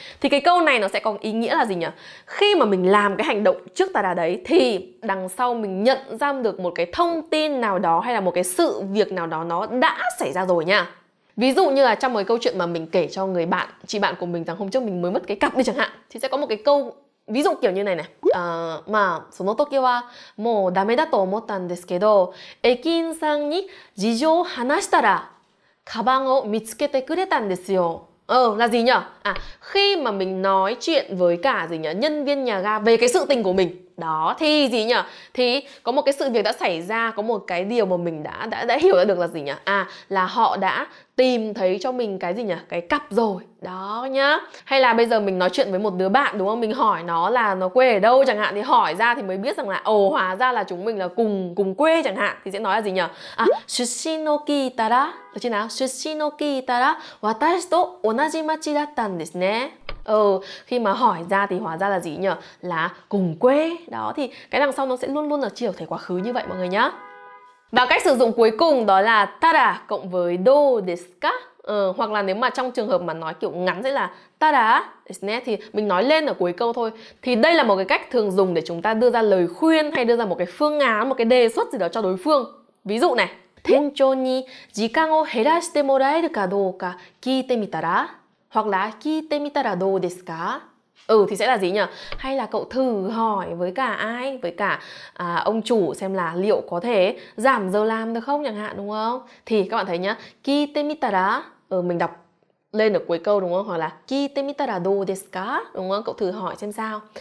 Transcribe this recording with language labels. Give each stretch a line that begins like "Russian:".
Vietnamese: Thì cái câu này nó sẽ có ý nghĩa là gì nhỉ? Khi mà mình làm cái hành động trước tara đấy thì đằng sau mình nhận ra được một cái thông tin nào đó hay là một cái sự việc nào đó nó đã xảy ra rồi nha. Ví dụ như là trong một cái câu chuyện mà mình kể cho người bạn, chị bạn của mình rằng hôm trước mình mới mất cái cặp đi chẳng hạn, thì sẽ có một cái câu ví dụ kiểu như này này.
Japanese: その時はもうダメだと思ったんですけど 駅員さんに事情を話したらカバンを見つけてくれたんですよ.
Vietnamese: Ờ, là gì nhở? À, khi mà mình nói chuyện với cả gì nhở, nhân viên nhà ga về cái sự tình của mình đó, thì gì nhở, thì có một cái sự việc đã xảy ra, có một cái điều mà mình đã hiểu ra được là gì nhở? À, là họ đã tìm thấy cho mình cái gì nhở, cái cặp rồi đó nhá. Hay là bây giờ mình nói chuyện với một đứa bạn đúng không, mình hỏi nó là nó quê ở đâu chẳng hạn, thì hỏi ra thì mới biết rằng là ồ, hóa ra là chúng mình là cùng quê chẳng hạn, thì sẽ nói là gì nhở?
Japanese: À, shushin o kiitara,
Vietnamese: được chưa nào?
Japanese: Shushin o kiitara watashi to onaji machi dattan desu ne.
Vietnamese: Ừ, khi mà hỏi ra thì hóa ra là gì nhở? Là cùng quê. Đó, thì cái đằng sau nó sẽ luôn luôn là chiều thể quá khứ như vậy mọi người nhá. Và cách sử dụng cuối cùng đó là tara cộng với do desu ka. Ừ, hoặc là nếu mà trong trường hợp mà nói kiểu ngắn sẽ là tara desu ne, thì mình nói lên ở cuối câu thôi. Thì đây là một cái cách thường dùng để chúng ta đưa ra lời khuyên hay đưa ra một cái phương án, một cái đề xuất gì đó cho đối phương. Ví dụ này,
Japanese: 店長に時間を減らしてもらえるかどうか聞いてみたら.
Vietnamese: Hoặc là
Japanese: 聞いてみたらどうですか?
Vietnamese: Ừ, thì sẽ là gì nhỉ? Hay là cậu thử hỏi với cả ai, với cả ông chủ xem là liệu có thể giảm giờ làm được không chẳng hạn, đúng không? Thì các bạn thấy nhá,
Japanese: 聞いてみたら,
Vietnamese: ừ, mình đọc lên ở cuối câu đúng không? Hoặc là
Japanese: 聞いてみたらどうですか?
Vietnamese: Đúng không? Cậu thử hỏi xem sao.